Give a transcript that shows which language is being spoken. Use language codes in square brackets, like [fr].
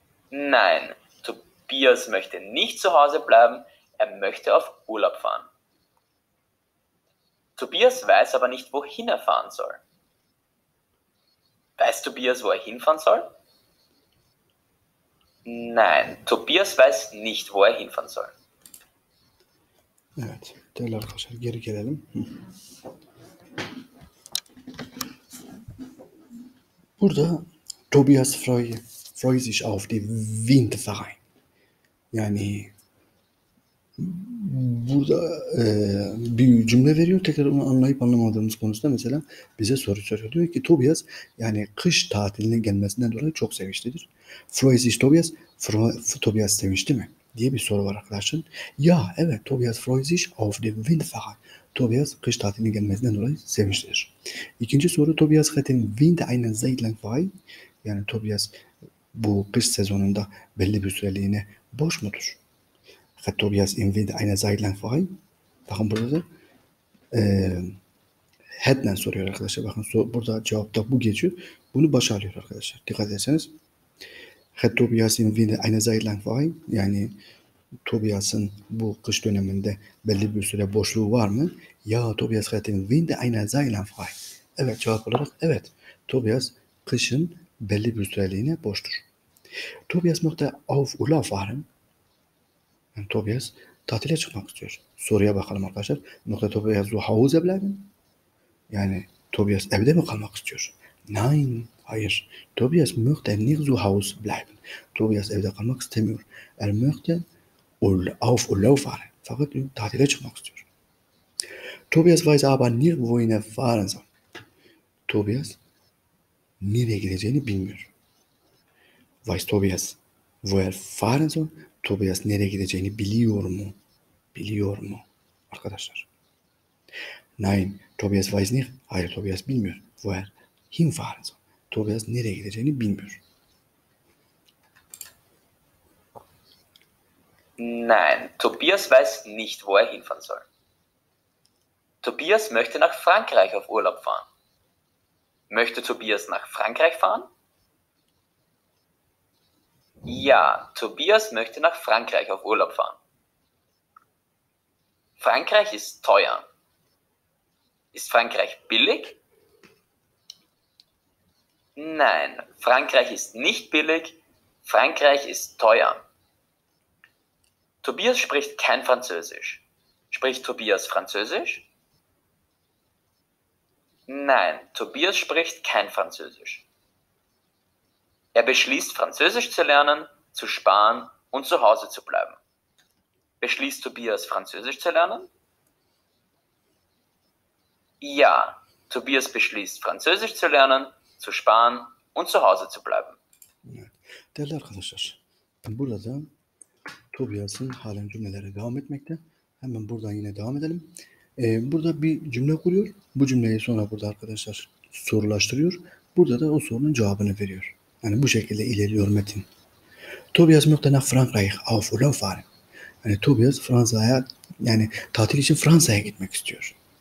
[de] Nein, Tobias möchte nicht zu Hause bleiben, er möchte auf Urlaub fahren. Tobias weiß aber nicht, wohin er fahren soll. Weiß Tobias, wo er hinfahren soll? Nein, Tobias weiß nicht, wo er hinfahren soll. [tr] Evet, değerli arkadaşlar geri gelelim. [de] Burada Tobias freut sich auf den Winterverein. [tr] Yani burada bir cümle veriyor. Tekrar onu anlayıp anlamadığımız konusunda mesela bize soru soruyor. Diyor ki Tobias yani kış tatilinin gelmesinden dolayı çok sevinçlidir. [de] Freut sich Tobias? [tr] Tobias sevinçli mi? Diye bir soru var arkadaşın. Ya evet [de] Tobias freut sich auf den Winterverein. [tr] Tobias kış tatilinin gelmesinden dolayı sevinçlidir. İkinci soru [de] Tobias hat den Winter eine Zeit lang frei. [tr] Yani Tobias bu kış sezonunda belli bir süreliğine boş mudur? [de] Hat Tobias im Winter eine Zeit lang frei? [tr] Bakın burada hat'le soruyor arkadaşlar. Bakın burada cevapta bu geçiyor. Bunu başarıyor arkadaşlar. Dikkat ederseniz. [de] Hat Tobias im Winter eine Zeit lang frei? [tr] Yani Tobias'ın bu kış döneminde belli bir süre boşluğu var mı? [de] Ya Tobias hat im Winter eine Zeit lang frei. [tr] Evet cevap olarak evet. Tobias kışın belli bir süreliğine boştur. [de] Tobias möchte auf Urlaub fahren. [tr] Yani Tobias tatile çıkmak istiyor. Soruya bakalım arkadaşlar. [de] Möchte Tobias zu Hause bleiben? [tr] Yani Tobias evde mi kalmak istiyor? Nein, hayır. [de] Tobias möchte nicht zu Hause bleiben. [tr] Tobias evde kalmak istemiyor. [de] Möchte auf Urlaub fahren. [tr] Fakat tatile çıkmak istiyor. [de] Tobias weiß aber nicht, wohin er fahren soll. [tr] Tobias nereye gideceğini bilmiyor. [de] Weiß Tobias, wo er fahren soll? [tr] Tobias nereye gideceğini biliyor mu? Biliyor mu? Arkadaşlar. [de] Nein, Tobias weiß nicht. [tr] Hayır, Tobias bilmiyor. [de] Wo er hinfahren soll? [tr] Tobias nereye gideceğini bilmiyor. [de] Nein, Tobias weiß nicht, wo er hinfahren soll. Tobias möchte nach Frankreich auf Urlaub fahren. Möchte Tobias nach Frankreich fahren? Ja, Tobias möchte nach Frankreich auf Urlaub fahren. Frankreich ist teuer. Ist Frankreich billig? Nein, Frankreich ist nicht billig. Frankreich ist teuer. Tobias spricht kein Französisch. Spricht Tobias Französisch? Nein, Tobias spricht kein Französisch. Er beschließt, Französisch zu lernen, zu sparen und zu Hause zu bleiben. Beschließt Tobias, Französisch zu lernen? Ja, Tobias beschließt, Französisch zu lernen, zu sparen und zu Hause zu bleiben. [tr] Değerli arkadaşlar, burada Tobias'ın halen cümlelere devam etmekte. Hemen buradan yine devam edelim. Burada bir cümle kuruyor. Bu cümleyi sonra burada arkadaşlar sorulaştırıyor. Burada da o sorunun cevabını veriyor. Yani bu şekilde ilerliyor metin. [de] Tobias möchte nach Frankreich auf Urlaub fahren. [tr] Yani Tobias Fransa'ya yani tatil için Fransa'ya gitmek istiyor.